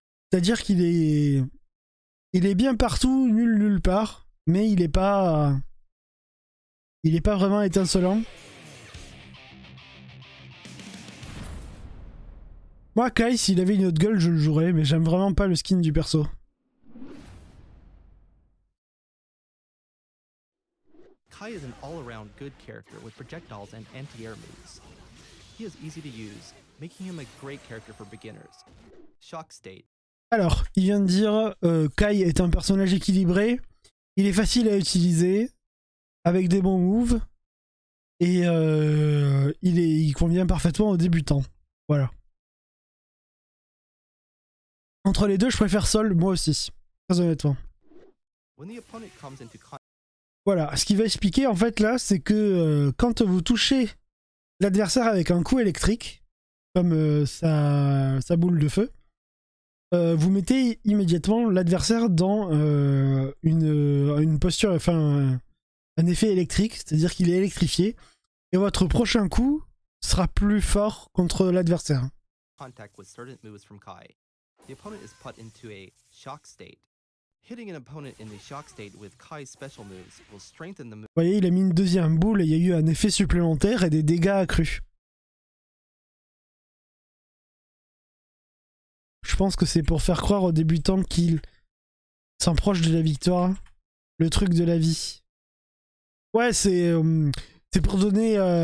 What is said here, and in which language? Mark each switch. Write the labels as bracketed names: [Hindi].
[French] C'est-à-dire qu'il est... Il est bien partout, nulle part. Mais il est pas... Il est pas vraiment étincelant. Moi, Kai, s'il avait une autre gueule, je le jouerais. Mais j'aime vraiment pas le skin du perso. [English] Kai is an all-around good character with projectiles and anti-air moves. He is easy to use, making him a great character for beginners. Shock state. [French] Alors, il vient de dire Kai est un personnage équilibré. Il est facile à utiliser, avec des bons moves, et il convient parfaitement aux débutants. Voilà. Entre les deux, je préfère Sol, moi aussi, très honnêtement. [English] When the opponent comes into contact... [French] Voilà, ce qu'il va expliquer en fait là, c'est que quand vous touchez l'adversaire avec un coup électrique, comme sa boule de feu, vous mettez immédiatement l'adversaire dans une posture, enfin un effet électrique, c'est-à-dire qu'il est électrifié, et votre prochain coup sera plus fort contre l'adversaire. [English] Contact with certain moves from Kai. The opponent is put into a shock state. Hitting an opponent in the shock state with Kai's special moves will strengthen the move. [French] Vous voyez, il a mis une deuxième boule et il y a eu un effet supplémentaire et des dégâts accrus. Je pense que c'est pour faire croire aux débutants qu'il s'approche de la victoire. Le truc de la vie. Ouais, c'est pour donner...